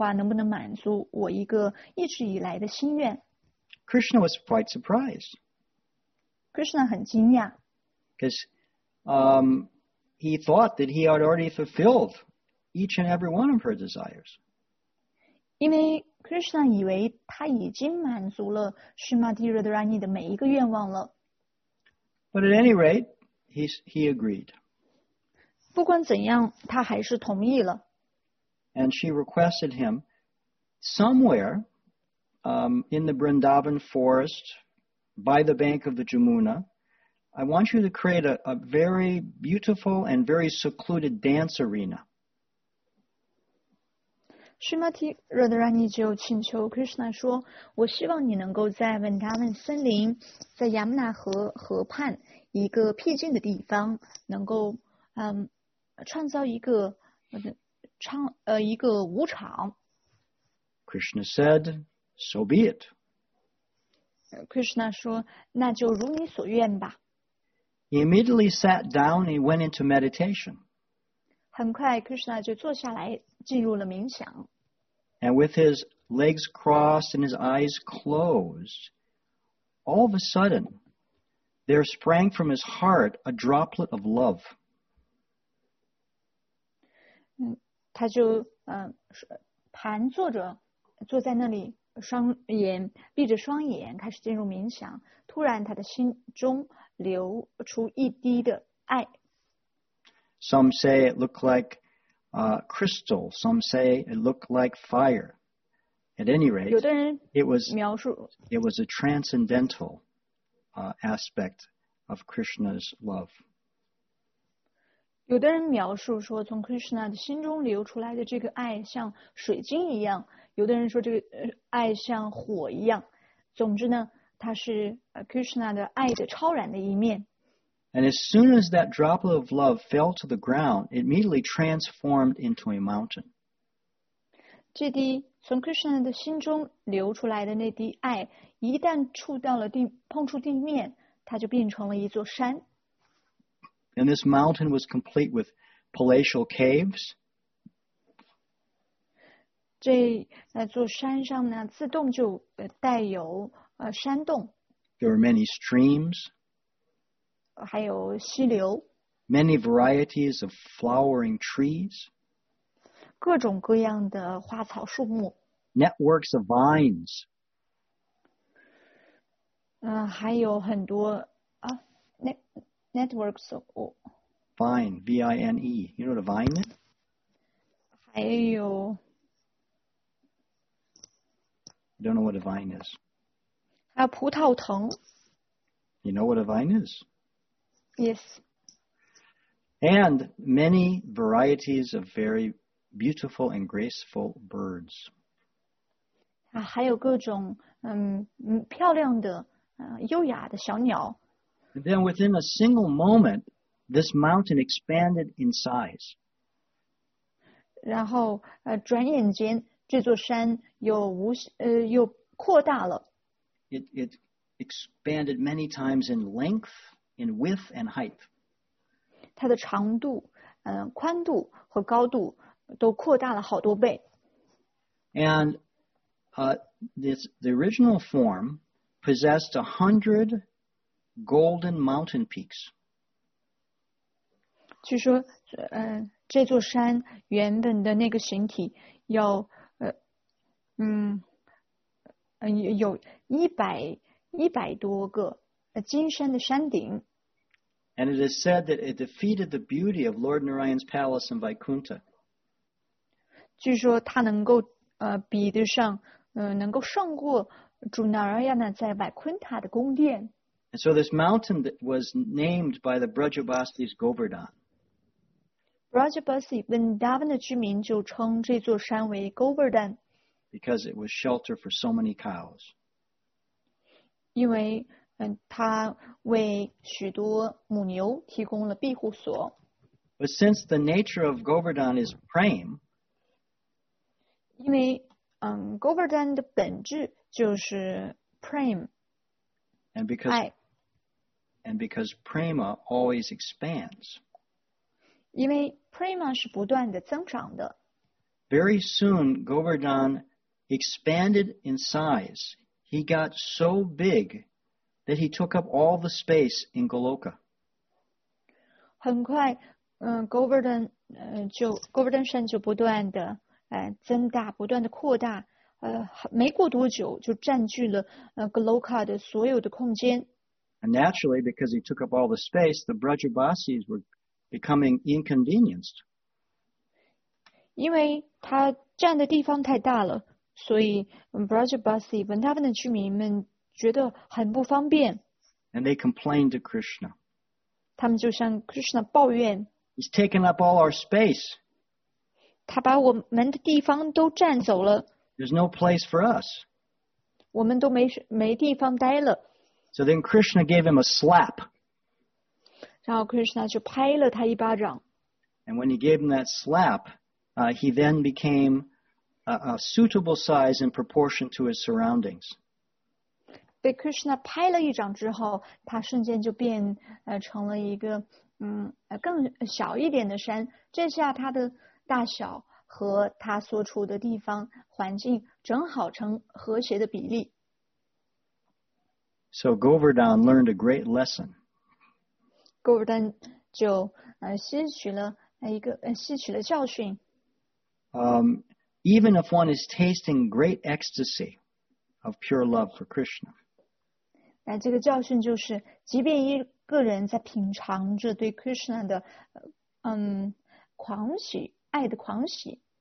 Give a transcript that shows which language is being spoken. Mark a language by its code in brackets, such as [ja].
[zh] 他说到,如果你满意的话,能不能满足我一个一直以来的心愿? [en] Krishna was quite surprised. [zh] Krishna 很惊讶, [en] because he thought that he had already fulfilled each and every one of her desires. [zh] 因为 Krishna 以为他已经满足了Srimati Radharani的每一个愿望了。 [en] But at any rate, he agreed. [zh] 不管怎样, 他还是同意了。 [en] And she requested him, somewhere in the Vrindavan forest, by the bank of the Jamuna, I want you to create a very beautiful and very secluded dance arena. [zh] Shrimati Radharani 就请求 Krishna 说，我希望你能够在 Vrindavan 森林，在 Yamuna 河河畔一个僻静的地方，能够创造一个一个舞场。 [en] Krishna said, "So be it." [zh] Krishna 说，那就如你所愿吧。 [en] He immediately sat down and went into meditation. [zh] 很快 ，Krishna 就坐下来，进入了冥想。 [en] And with his legs crossed and his eyes closed, all of a sudden, there sprang from his heart a droplet of love. [zh] 他就盘坐着，坐在那里，双眼闭着双眼，开始进入冥想。突然，他的心中流出一滴的爱。 [en] Some say it looked like crystal. Some say it looked like fire. At any rate, [zh] 有的人描述 [en] it was a transcendental aspect of Krishna's love. [zh] 有的人描述说，从 Krishna 的心中流出来的这个爱像水晶一样。有的人说这个爱像火一样。总之呢。它是 Krishna 的爱的超然的一面。 [en] And as soon as that droplet of love fell to the ground, it immediately transformed into a mountain. [zh] 这滴从 Krishna 的心中流出来的那滴爱，一旦碰触地面，它就变成了一座山。 [en] And this mountain was complete with palatial caves. [zh] 这座山上呢，自动就带有山洞。 [en] There are many streams. [zh] 还有溪流。 [en] Many varieties of flowering trees. [zh] 各种各样的花草树木。 [en] Networks of vines. [zh] 还有很多 [en] networks of vine, V-I-N-E. You know what a vine is? [zh] 还有 [en] I don't know what a vine is. [zh] 还有葡萄藤。 [en] You know what a vine is? Yes. And many varieties of very beautiful and graceful birds. [zh] 还有各种漂亮的优雅的小鸟。 [en] Then within a single moment, this mountain expanded in size. [zh] 然后转眼间这座山又扩大了。 [en] It expanded many times in length, in width, and height. [zh] 它的长度、宽度和高度都扩大了好多倍。 [en] And the original form possessed 100 golden mountain peaks. [zh] 据说，这座山原本的那个形体要，有一百多个金山的山顶。 [en] And it is said that it defeated the beauty of Lord Narayan's palace in Vaikuntha. [zh] 据说它能够比得上能够胜过主 Narayana 在 Vaikuntha 的宫殿。 [en] And so this mountain that was named by the Brajabasis Govardhan. [zh] Brajabasi Vrindavan 的居民就称这座山为 Govardhan. [en] Because it was shelter for so many cows. [zh] 因为它为许多母牛提供了庇护所。 [en] But since the nature of Govardhan is Prem, [zh] 因为Govardhan 的本质就是 Prem, [en] and because Prema always expands. [zh] 因为 Prema 是不断的增长的。 [en] Very soon, Govardhan. Expanded in size, he got so big that he took up all the space in Goloka. [zh] 很快，Govardhan Govardhan 山就不断的增大，不断的扩大，没过多久就占据了Goloka 的所有的空间。 [en] And naturally, because he took up all the space, the Brajabasis were becoming inconvenienced. [zh] 因为他占的地方太大了。所以 Brajabasi 文达芬的居民们觉得很不方便。 [en] And they complained to Krishna. [zh] 他们就向 Krishna 抱怨。 [en] He's taken up all our space. [zh] 他把我们的地方都占走了。 [en] There's no place for us. [zh] 我们都 没地方待了。 [en] So then Krishna gave him a slap. [zh] 然后 Krishna 就拍了他一巴掌。 [en] And when he gave him that slap,he then became a suitable size in proportion to his surroundings. [zh] 被 Krishna 拍了一掌之后，他瞬间就变成了一个更小一点的山。这下他的大小和他所处的地方环境正好成和谐的比例。 [en] So Govardhan learned a great lesson. [zh] Govardhan 就吸取了教训。 [en] Even if one is tasting great ecstasy of pure love for Krishna. [zh] 那这个教训就是，即便一个人在品尝着对 Krishna 的狂喜，爱的狂喜。